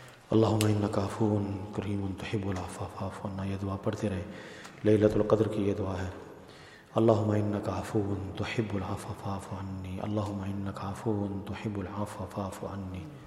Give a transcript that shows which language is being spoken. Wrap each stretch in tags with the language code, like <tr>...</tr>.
<ar>اللهم انك عفو کریم تحب العفو فاعف عنا.</ar> <ur>یہ دعا پڑھتے رہے, لیلۃ القدر کی یہ دعا ہے.</ur> <ar>اللهم انك عفو تحب العفو فاعف عنی. اللهم انك عفو تحب العفو فاعف عنی.</ar>